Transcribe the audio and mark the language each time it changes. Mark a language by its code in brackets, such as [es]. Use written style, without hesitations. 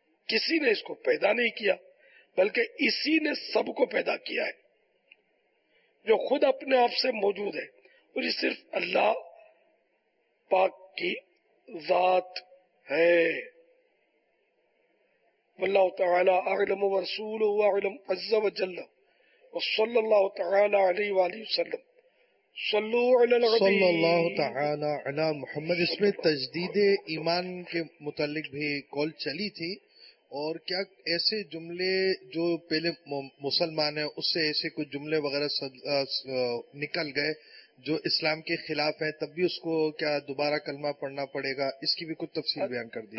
[ur] کسی نے اس کو پیدا نہیں کیا بلکہ اسی نے سب کو پیدا کیا ہے، جو خود اپنے آپ سے موجود ہے، اور یہ صرف اللہ پاک کی ذات ہے. [ar] والله تعالى اعلم ورسوله واعلم عز وجل وصلى الله تعالى عليه واله وسلم صلوا على العبي صلى الله تعالى على محمد. [ur] اس میں تجدید ایمان کے متعلق بھی کال چلی تھی, اور کیا ایسے جملے جو پہلے مسلمان ہیں اس سے ایسے کچھ جملے وغیرہ نکل گئے جو اسلام کے خلاف ہیں, تب بھی اس کو کیا دوبارہ کلمہ پڑھنا پڑے گا؟ اس کی بھی کچھ تفصیل بیان کر دی.